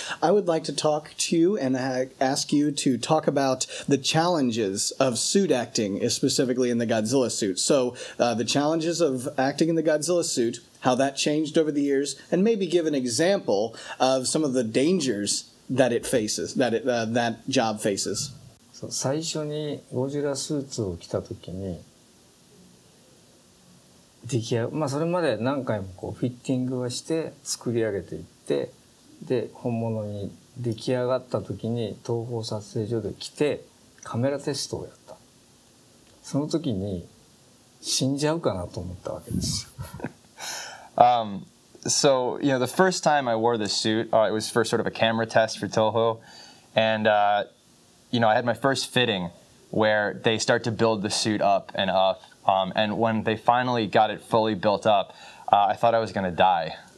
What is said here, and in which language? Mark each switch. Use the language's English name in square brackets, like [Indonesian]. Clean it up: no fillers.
[English] I would like to talk to you and ask you to talk about the challenges of suit acting, specifically in the Godzilla suit. So the challenges of acting in the Godzilla suit, how that changed over the years, and maybe give an example of some of the dangers that it faces, that job faces. [Japanese] So, 最初にゴジラスーツを着た時に、 出来上がる、まあそれまで何回もこうフィッティングはして作り上げていって、 で、本物に出来上がった時に東宝撮影所で来てカメラテストをやった。その時に死んじゃうかなと思ったわけです。So, [English] you know, the first time I wore this suit, it was for sort of a camera test for Toho, and I had my first fitting where they start to build the suit up and up, and when they finally got it fully built up, I thought I was going to die.